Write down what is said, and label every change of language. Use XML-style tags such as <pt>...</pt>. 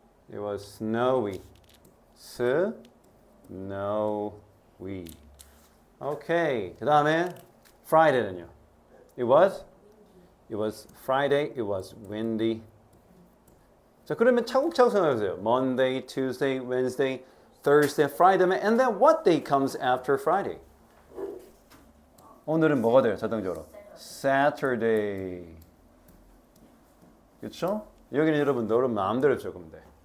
<en>It was snowy. Snowy. Okay.</en> <ko>그 다음에 Friday는요?</ko> <en>It was Friday, it was windy.</en> <ko>자, 그러면 차곡차곡 생각하세요.</ko> <en>Monday, Tuesday, Wednesday, Thursday, Friday, and then what day comes after Friday?</en> <ko>오늘은 뭐가 돼요, 자동적으로?</ko> <en>Saturday.</en> <ko>그쵸? 여기는 여러분, 너를 마음대로 적으면 돼.</ko>